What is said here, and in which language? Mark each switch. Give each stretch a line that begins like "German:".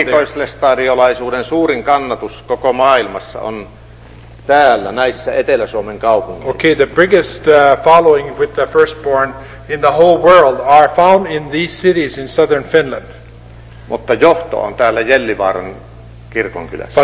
Finnish: Esikoislestadiolaisuuden suurin kannatus koko maailmassa on täällä näissä Etelä-Suomen kaupungeissa.
English: Okay, the biggest following with the firstborn in the whole world are found in these cities in southern Finland.
Finnish: Mutta johto on täällä Jellivaaran kirkonkylässä.